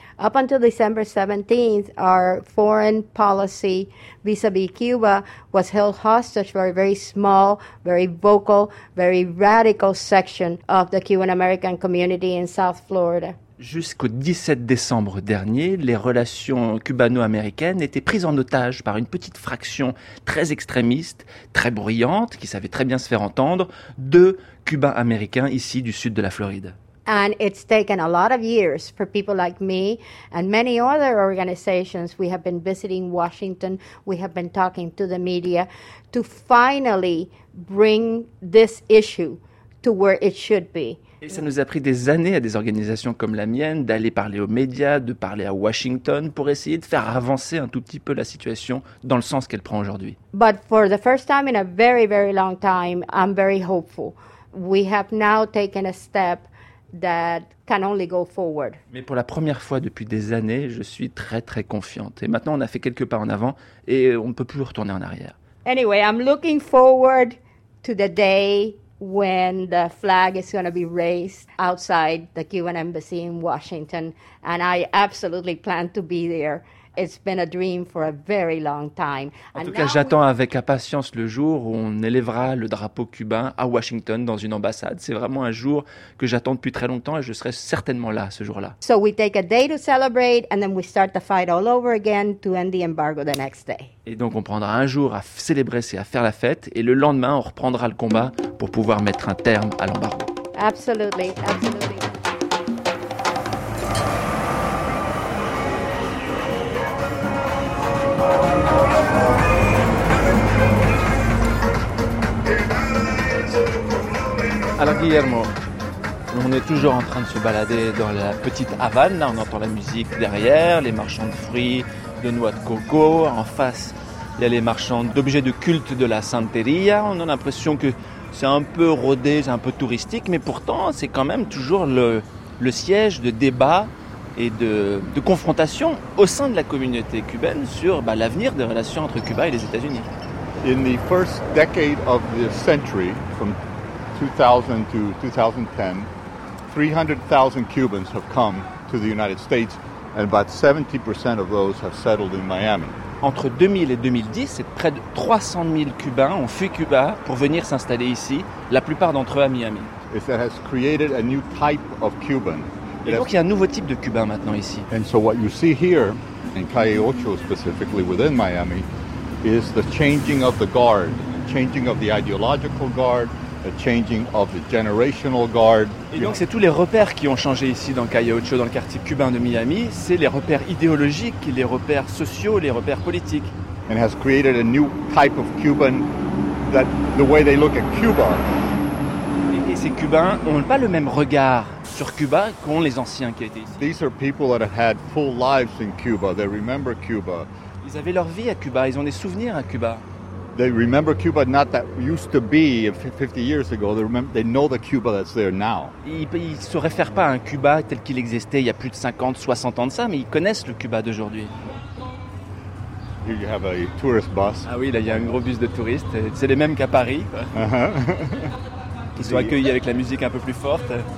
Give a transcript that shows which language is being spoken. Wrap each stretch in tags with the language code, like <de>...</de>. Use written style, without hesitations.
<en>Up until December 17th, our foreign policy vis-à-vis Cuba was held hostage by a very small, very vocal, very radical section of the Cuban-American community in South Florida.</en> <fr>Jusqu'au 17 décembre dernier, les relations cubano-américaines étaient prises en otage par une petite fraction très extrémiste, très bruyante, qui savait très bien se faire entendre, de Cubains américains ici du sud de la Floride.</fr> <en>And it's taken a lot of years for people like me and many other organizations. We have been visiting Washington. We have been talking to the media to finally bring this issue to where it should be.</en> <fr>Et ça nous a pris des années à des organisations comme la mienne d'aller parler aux médias, de parler à Washington pour essayer de faire avancer un tout petit peu la situation dans le sens qu'elle prend aujourd'hui.</fr> <en>But for the first time in a very, very long time, I'm very hopeful. We have now taken a step that can only go forward.</en> <fr>Mais pour la première fois depuis des années, je suis très, très confiante. Et maintenant, on a fait quelques pas en avant et on ne peut plus retourner en arrière.</fr> <en>Anyway, I'm looking forward to the day when the flag is going to be raised outside the Cuban embassy in Washington. And I absolutely plan to be there. It's been a dream for a very long time.</en> <fr>En tout cas, j'attends avec impatience le jour où on élèvera le drapeau cubain à Washington dans une ambassade. C'est vraiment un jour que j'attends depuis très longtemps et je serai certainement là ce jour-là.</fr> <en>So we take a day to celebrate and then we start the fight all over again to end the embargo the next day.</en> <fr>Et donc on prendra un jour à célébrer, c'est à faire la fête, et le lendemain on reprendra le combat pour pouvoir mettre un terme à l'embargo.</fr> <en>Absolutely, absolutely.</en> <fr>Alors Guillermo, on est toujours en train de se balader dans la petite Havane, là on entend la musique derrière, les marchands de fruits, de noix de coco, en face il y a les marchands d'objets de culte de la Santeria, on a l'impression que c'est un peu rodé, c'est un peu touristique, mais pourtant c'est quand même toujours le siège de débats et de confrontations au sein de la communauté cubaine sur l'avenir des relations entre Cuba et les États-Unis.</fr> <en>In the first decade of the century, from 2000 to 2010, 300,000 Cubans have come to the United States, and about 70% of those have settled in Miami.</en> <fr>Entre 2000 et 2010, c'est près de 300 000 Cubains ont fui Cuba pour venir s'installer ici, la plupart d'entre eux à Miami.</fr> <en>It has created a new type of Cuban.</en> <fr>Et donc il y a un nouveau type de Cubain maintenant ici.</fr> <en>And so what you see here in Calle Ocho, specifically within Miami, is the changing of the guard, changing of the ideological guard. A changing of the generational guard.</en> <fr>Et donc c'est tous les repères qui ont changé ici dans Calle Ocho, dans le quartier cubain de Miami. C'est les repères idéologiques, les repères sociaux, les repères politiques.</fr> <en>And has created a new type of Cuban that the way they look at Cuba.</en> <fr>Et ces Cubains n'ont pas le même regard sur Cuba qu'ont les anciens qui étaient ici.</fr> <en>These are people that have had full lives in Cuba. They remember Cuba.</en> <fr>Ils avaient leur vie à Cuba. Ils ont des souvenirs à Cuba.</fr> <en>They remember Cuba not that used to be 50 years ago. They know the Cuba that's there now.</en> <fr>Ils se réfèrent pas à un Cuba tel qu'il existait il y a plus de 50, 60 ans de ça, mais ils connaissent le Cuba d'aujourd'hui.</fr> <en>Here you have a tourist bus.</en> <fr>Ah oui, là il y a un gros bus de touristes. C'est les mêmes qu'à Paris. Uh-huh. Ils sont accueillis avec la musique un peu plus forte.</fr>